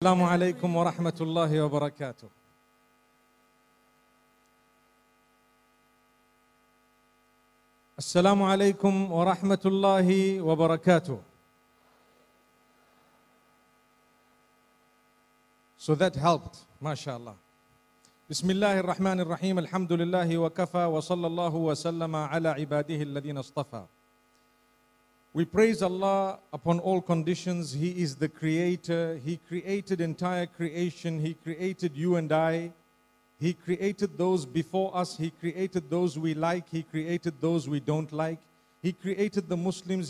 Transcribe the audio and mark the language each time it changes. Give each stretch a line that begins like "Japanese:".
Arabic: السلام عليكم ورحمة الله وبركاته. السلام عليكم ورحمة الله وبركاته.
English: So that helped, ما شاء الله.
Arabic: بسم الله الرحمن الرحيم، الحمد لله وكفى، وصلى الله وسلم على عباده الذين اصطفى.
English: We praise Allah upon all conditions. He is the creator. He created entire creation. He created you and I. He created those before us. He created those we like. He created those we don't like. He created the Muslims.